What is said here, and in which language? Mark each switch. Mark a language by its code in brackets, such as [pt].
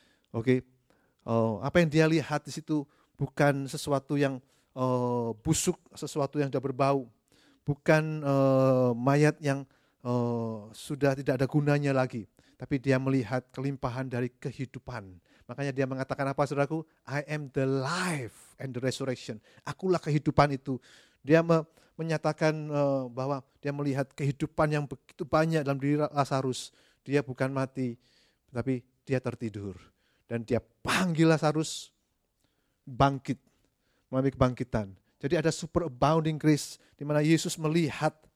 [id] Oke, apa yang dia lihat di situ bukan sesuatu yang busuk, sesuatu yang sudah berbau, bukan mayat yang sudah tidak ada gunanya lagi, tapi dia melihat kelimpahan dari kehidupan. Makanya dia mengatakan apa, saudaraku? [en] I am the life and the resurrection. [id] Akulah kehidupan itu. Dia menyatakan bahwa dia melihat kehidupan yang begitu banyak dalam diri Lazarus. Dia bukan mati, tapi dia tertidur. Dan dia panggil Lazarus bangkit, mengalami kebangkitan. Jadi ada [en] super abounding grace [id] di mana Yesus melihat